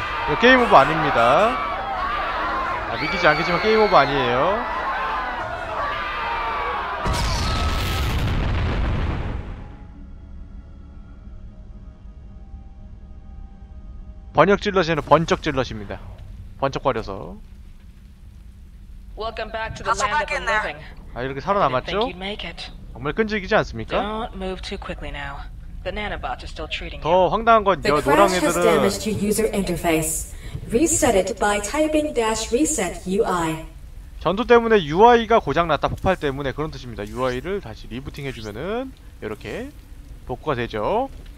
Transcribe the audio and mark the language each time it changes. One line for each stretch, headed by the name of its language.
Korean: 이거 게임 오버 아닙니다 아 믿기지 않겠지만 게임 오버 아니에요 번역 찔러시는 번쩍 찔러십니다. 번쩍거려서.
English: Welcome back to the land of the living.
Korean: 아 이렇게 살아남았죠? 정말 끈질기지 않습니까?
English: Don't move too quickly now. The nanobots are still treating.
Korean: 더 황당한 건 여 노랑 애들은.
English: The crash has damaged your user interface. Reset it by typing -reset UI.
Korean: 전투 때문에 UI가 고장났다 폭발 때문에 그런 뜻입니다. UI를 다시 리부팅 해주면은 이렇게 복구가 되죠.